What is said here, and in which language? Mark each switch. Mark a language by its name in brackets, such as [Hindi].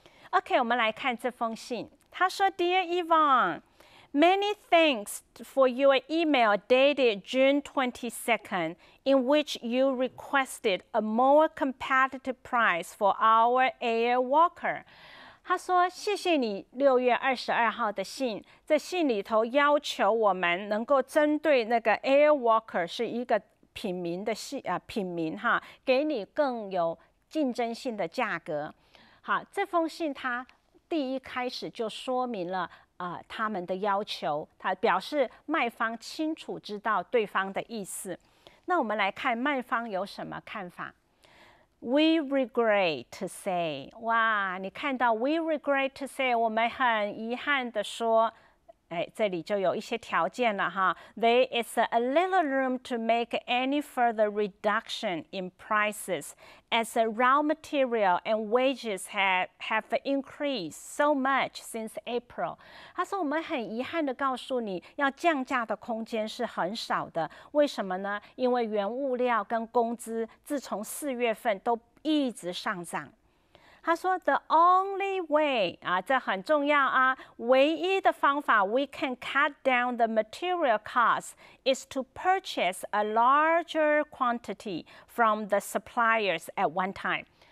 [English] OK， [Chinese] 我们来看这封信，他说 [English] ：“Dear Yvonne, many thanks for your email dated June 22nd, in which you requested a more competitive price for our air walker.” [Chinese] 他说：“谢谢你6月22号的信，在信里头要求我们能够针对那个 Air Walker 是一个品名的品名哈，给你更有竞争性的价格。” 好，这封信他第一开始就说明了他们的要求，他表示卖方清楚知道对方的意思。那我们来看卖方有什么看法。 [English] We regret to say， [Chinese] 哇，你看到 We regret to say， 我们很遗憾的说，这里就有一些条件了哈。 [English] There is a little room to make any further reduction in prices as the raw material and wages have increased so much since April. [Chinese] 他说我们很遗憾的告诉你，要降价的空间是很少的。为什么呢？因为原物料跟工资自从四月份都一直上涨。他说 ， [English] The only way [Chinese] 这很重要啊。唯一的方法 [English] ，we can cut down the material cost is to purchase a larger quantity from the suppliers at one time。